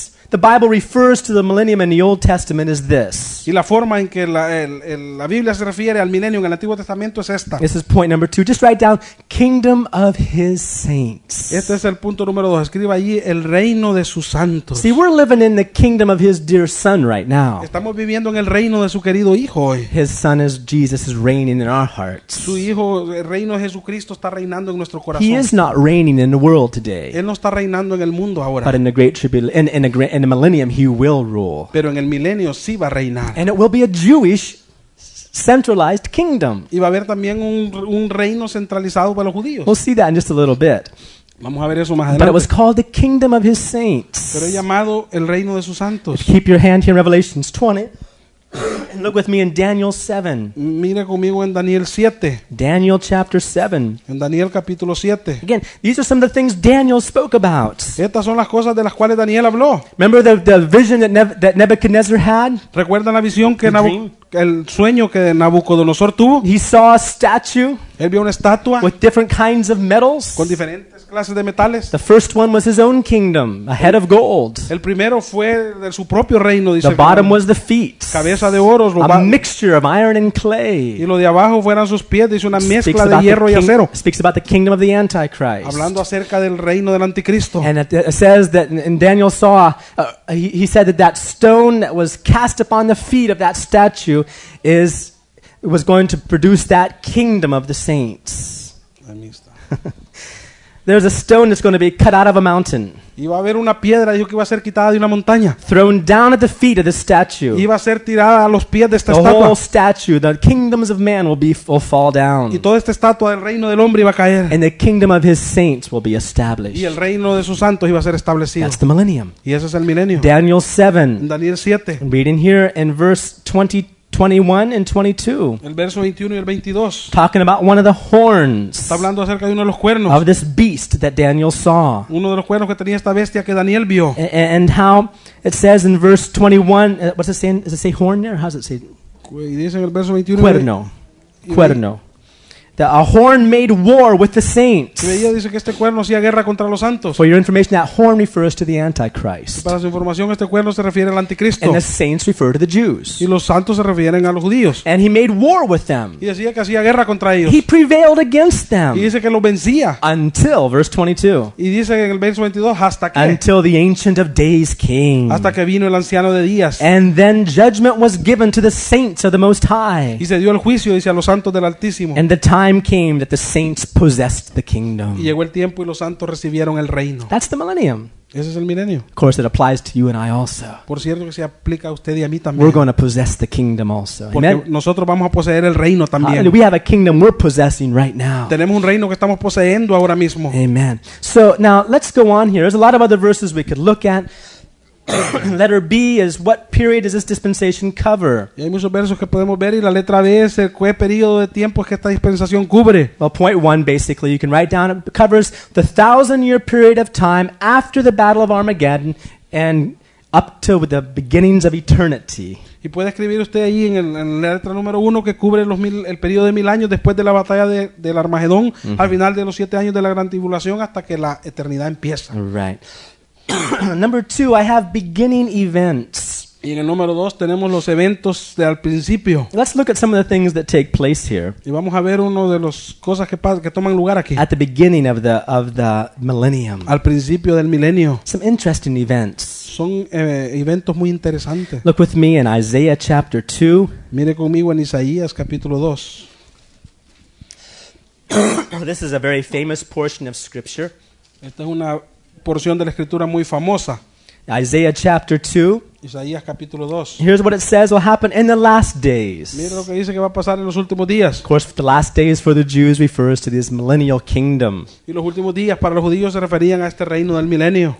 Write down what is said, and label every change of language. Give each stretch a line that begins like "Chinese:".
English: The Bible refers to the millennium in the Old Testament is this.
Spanish: Y la forma en que la Biblia se refiere al milenio en el Antiguo Testamento es esta.
English: This is point number two. Just write down kingdom of his saints.
Spanish: Este es el punto número dos. Escriba allí el reino de sus santos.
English: See, we're living in the kingdom of his dear son right now.
Spanish: Estamos viviendo en el reino de su querido hijo hoy.
English: His son is Jesus is reigning in our hearts.
Spanish: Su hijo, el reino de Jesucristo está reinando en nuestro corazón.
English: He is not reigning in the world today.
Spanish: Él no está reinando en el mundo ahora.
English: But in the great tribulation, in the millennium he will rule.
Spanish: Pero en el milenio sí va a reinar.
English: And it will be a Jewish centralized kingdom.
Spanish: Y va a haber también un reino centralizado para los judíos.
English: We'll see that in just a little bit.
Spanish: Vamos a ver eso más adelante.
English: But it was called the kingdom of his saints.
Spanish: Pero es llamado el reino de sus santos.
English: Keep your hand here in Revelation 20 and look with me in Daniel 7.
Spanish: Mire conmigo en Daniel 7.
English: Daniel chapter 7.
Spanish: En Daniel capítulo 7.
English: Again, these are some of the things Daniel spoke about.
Spanish: Estas son las cosas de las cuales Daniel habló.
English: Remember the vision that Nebuchadnezzar had?
Spanish: ¿Recuerdan la visión que el sueño que Nabucodonosor tuvo?
English: He saw a statue.
Spanish: Él vio una estatua.
English: With different kinds of metals.
Spanish: Con diferentes clases de metales.
English: The first one was his own kingdom, a head of gold.
Spanish: El primero fue de su propio reino, dice.
English: The bottom was the feet.
Spanish: Cabeza de oro,
English: a mixture of iron and clay.
Spanish: Y lo de abajo fueran sus pies, dice, una mezcla de hierro y acero.
English: Speaks about the kingdom of the Antichrist.
Spanish: Hablando acerca del reino del Anticristo.
English: And it says that in Daniel saw he said that stone that was cast upon the feet of that statue is was going to produce that kingdom of the saints. Let me stop. There's a stone that's going to be cut out of a mountain.
Spanish: Iba a haber una piedra, dijo que iba a ser quitada de una montaña.
English: Thrown down at the feet of the statue.
Spanish: Iba a ser tirada a los pies de esta estatua.
English: The whole statue, the kingdoms of man will fall down.
Spanish: Y toda esta estatua del reino del hombre iba a caer.
English: And the kingdom of his saints will be established.
Spanish: Y el reino de sus santos iba a ser establecido.
English: That's the millennium.
Spanish: Y ese es el milenio.
English: Daniel 7.
Spanish: Daniel 7.
English: Reading here in verse 21 and 22.
Spanish: El verso 21 y el 22.
English: Talking about one of the horns.
Spanish: Está hablando acerca de uno de los cuernos.
English: Of this beast that Daniel saw.
Spanish: Uno de los cuernos que tenía esta bestia que Daniel vio.
English: And how it says in verse 21, what's it saying? Does it say horn there? How does it say?
Spanish: Y dice en el verso 21. Cuerno. Cuerno.
English: a horn made war with the saints.
Spanish: Y ella dice que este cuerno hacía guerra contra los santos.
English: For your information, that horn refers to the Antichrist.
Spanish: Para su información, este cuerno se refiere al anticristo.
English: And the saints refer to the Jews.
Spanish: Y los santos se refieren a los judíos.
English: And he made war with them.
Spanish: Y decía que hacía guerra contra ellos.
English: He prevailed against them.
Spanish: Y dice que lo vencía.
English: Until, verse 22.
Spanish: Y dice en el verso 22, hasta que.
English: Until the Ancient of Days came.
Spanish: Hasta que vino el Anciano de Días.
English: And then judgment was given to the saints of the Most High.
Spanish: Y se dio el juicio, dice, a los santos del Altísimo.
English: And the time came that the saints possessed the kingdom.
Spanish: Y llegó el tiempo y los santos recibieron el reino.
English: That's the millennium.
Spanish: Ese es el milenio.
English: Of course, it applies to you and I also.
Spanish: Por cierto, que se aplica a usted y a mí también.
English: We're going to possess the kingdom also.
Spanish: Porque
English: Amen.
Spanish: Nosotros vamos a poseer el reino también.
English: We have a kingdom we're possessing right now.
Spanish: Tenemos un reino que estamos poseyendo ahora mismo.
English: Amen. So now let's go on here. There's a lot of other verses we could look at. Letter B is what period does this dispensation cover?
Spanish: Y hay muchos versos que podemos ver y la letra B es el qué periodo de tiempo es que esta dispensación cubre.
English: Well, point one, basically, you can write down, it covers the 1,000-year period of time after the Battle of Armageddon and up to the beginnings of eternity.
Spanish: Y puede escribir usted ahí en la letra número uno que cubre el periodo de 1,000 años después de la batalla del Armagedón, mm-hmm. al final de los 7 años de la Gran Tribulación hasta que la eternidad empieza.
English: Right. Number two, I have beginning events.
Spanish: Y en el número dos tenemos los eventos de al principio.
English: Let's look at some of the things that take place here.
Spanish: Y vamos a ver uno de los cosas que toman lugar aquí.
English: At the beginning of the millennium.
Spanish: Al principio del milenio.
English: Some interesting events.
Spanish: Son eventos muy interesantes.
English: Look with me in Isaiah chapter 2.
Spanish: Mire conmigo en Isaías capítulo 2.
English: This is a very famous portion of scripture.
Spanish: Esta es una porción de la escritura muy famosa.
English: Isaiah chapter 2.
Spanish: Isaías capítulo 2.
English: Here's what it says will happen in the last days.
Spanish: Mira lo que dice que va a pasar en los últimos días.
English: Of course, the last days for the Jews refers to this millennial kingdom.
Spanish: Y los últimos días para los judíos se referían a este reino del milenio.